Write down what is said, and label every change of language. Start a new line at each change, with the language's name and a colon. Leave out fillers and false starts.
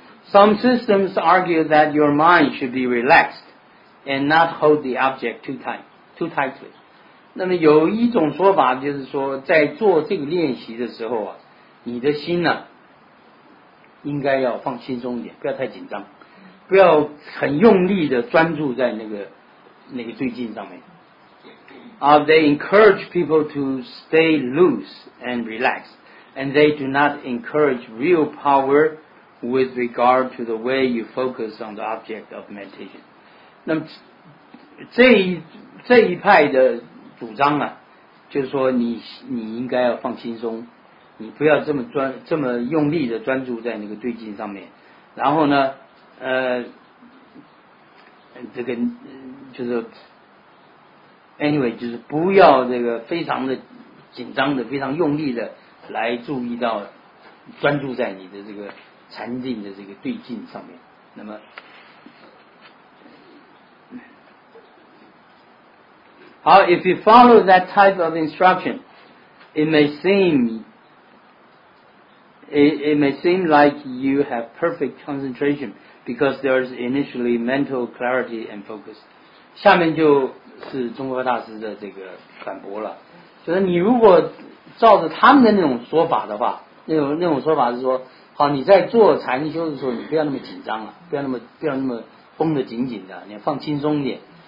English: Some systems argue that your mind should be relaxed and not hold the object too tightly.
Chinese: 那么有一种说法就是说，在做这个练习的时候啊，你的心呢、啊、应该要放轻松一点，不要太紧张，不要很用力的专注在那个对境上面。
English: They encourage people to stay loose and relaxed, and they do not encourage real power with regard to the way you focus on the object of meditation.
Chinese: 那么这一派的主张啊，就是说你应该要放轻松，你不要这么用力的专注在那个对境上面，然后呢这个就是Anyway, 就是不要这个非常的紧张的、非常用力的来注意到、专注在你的这个禅定的这个对境上面。那么，好
English: ，if you follow that type of instruction, it may seem like you have perfect concentration because there is initially mental clarity and focus.
Chinese: 下面就是中国大师的这个反驳了，就是你如果照着他们的那种说法的话，那种说法是说，好，你在做禅修的时候，你不要那么紧张了，不要那么绷得紧紧的，你要放轻松一点。